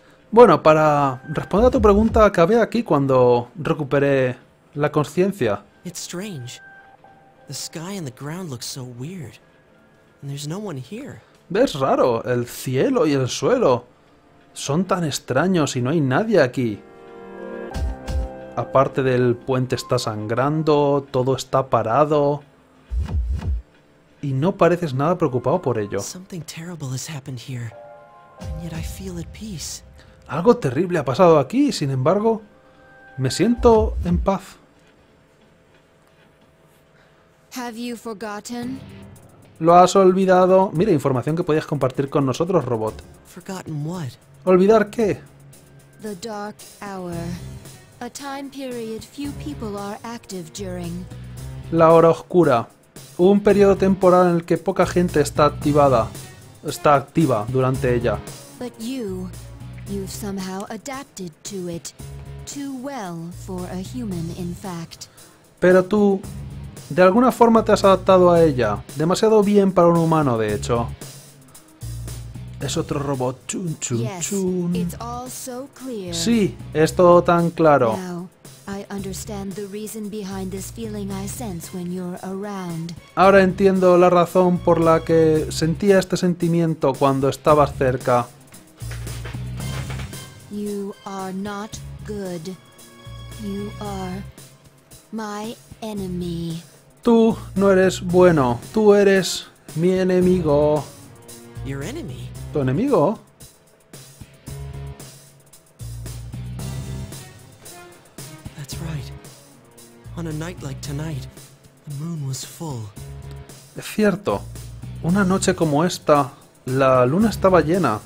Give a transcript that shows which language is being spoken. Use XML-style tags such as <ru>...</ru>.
<es>Bueno, para responder a tu pregunta, acabé aquí cuando recuperé la conciencia.</es> <en>It's strange. The sky and the ground look so weird. And there's no one here.</en> <es>Es raro, el cielo y el suelo son tan extraños y no hay nadie aquí. Aparte del puente está sangrando, todo está parado. Y no pareces nada preocupado por ello.</es> <en>Something terrible has happened here, and yet I feel at peace.</en> <es>Algo terrible ha pasado aquí, sin embargo, me siento en paz.</es> <en>Have you forgotten?</en> <es>¿Lo has olvidado? Mira, información que podías compartir con nosotros, robot.</es> <en>Forgotten what?</en> <es>¿Olvidar qué?</es> <en>The dark hour. A time period few people are active during.</en> <es>La hora oscura. Un periodo temporal en el que poca gente está activada. Está activa durante ella.</es> <en>But you... You've somehow adapted to it. Too well for a human, in fact.</en> <es>Pero tú... De alguna forma te has adaptado a ella. Demasiado bien para un humano, de hecho. Es otro robot. Chun, chun, chun.</es> <en>Yes, it's all so clear.</en> <es>Sí, es todo tan claro.</es> <en>Now, I understand the reason behind this feeling I sense when you're around.</en> <es>Ahora entiendo la razón por la que sentía este sentimiento cuando estabas cerca.</es> <en>You are not good. You are my enemy.</en> <es>Tú no eres bueno. Tú eres mi enemigo.</es> <en>Your enemy.</en> <es>¿Tu enemigo?</es> <en>That's right. On a night like tonight, the moon was full.</en> <es>Es cierto. Una noche como esta, la luna estaba llena.</es>